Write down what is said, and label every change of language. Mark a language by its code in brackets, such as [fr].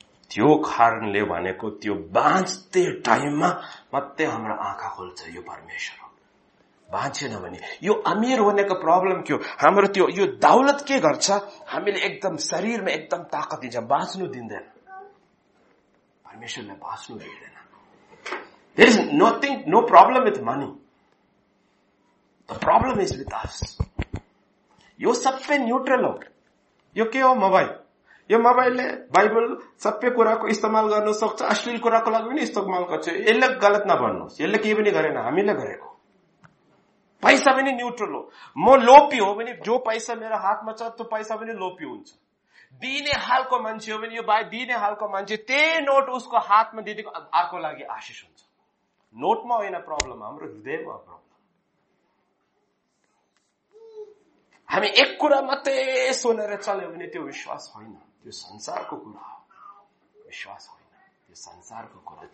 [ne] त्यो कारणले भनेको, त्यो बाँच्ने टाइममा मात्रै हाम्रो आँखा खोल्छ यो परमेश्वर, बाँचेन भने यो अमीर भनेको प्रब्लम के हो, हाम्रो त्यो यो दौलत के गर्छ, हामीले एकदम शरीरमा एकदम ताकत दिन्छ, बाँच्नु दिँदैन, परमेश्वरलाई बाँच्नु दिँदैन। [en] There is nothing, no problem with money, the problem is with us. [ne] यो सबै न्युट्रल हो, यो के हो, मोबाइल, यो मोबाइलले बाइबल सबै कुराको इस्तेमाल गर्न सक्छ, अश्लील कुराको लागि पनि इस्तेमाल गर्छ, यसले गलत नभन्नुहोस्, यसले केही पनि गरेन, हामीले गरेको, पैसा पनि न्युट्रल हो, म लोपी हो भने जो पैसा मेरो हातमा छ त्यो पैसा पनि लोपी हुन्छ, दिने हालको मान्छे हो भने यो बाई दिने हालको मान्छे, त्यही नोट उसको हातमा दिएको अर्को लागि आशिष हुन्छ, नोटमा होइन प्रब्लम, हाम्रो हृदयमा प्रब्लम, हामी एक कुरा मात्रै सुनेर चल्यो भने त्यो विश्वास होइन, त्यो संसारको कुरा हो, विश्वास होइन, संसारको कुरा।